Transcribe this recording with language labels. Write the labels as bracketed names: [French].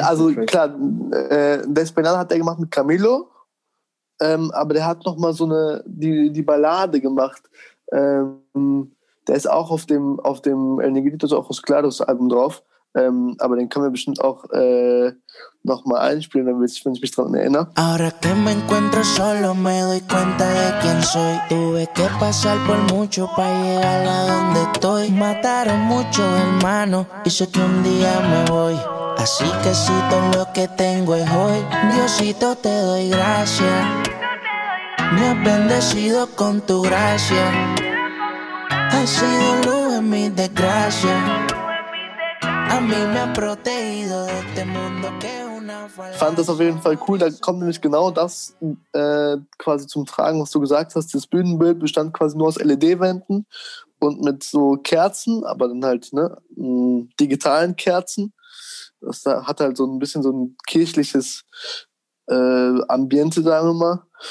[German] ja, also klar, Despeinada hat er gemacht mit Camilo. Aber der hat nochmal so eine, die Ballade gemacht. Der ist auch auf dem El Negritos Ojos Claros Album drauf, aber den können wir bestimmt auch nochmal einspielen, wenn ich mich daran erinnere. [Spanish] Ahora que me encuentro solo me doy cuenta de quién soy. Tuve que pasar por mucho para llegar a donde estoy. Mataron mucho hermano y sé que un día me voy. Así que si todo lo que tengo es hoy, Diosito te doy gracias. Me has bendecido con tu gracia. Has sido luz en mi desgracia. A mí me ha protegido de este mundo que es una falacia. [German] Fand das auf jeden Fall cool. Da kommt nämlich genau das quasi zum Tragen, was du gesagt hast. Das Bühnenbild bestand quasi nur aus LED-Wänden und mit so Kerzen, aber dann halt ne, digitalen Kerzen. Das hat halt so ein bisschen so ein kirchliches Ambiente, sagen wir mal.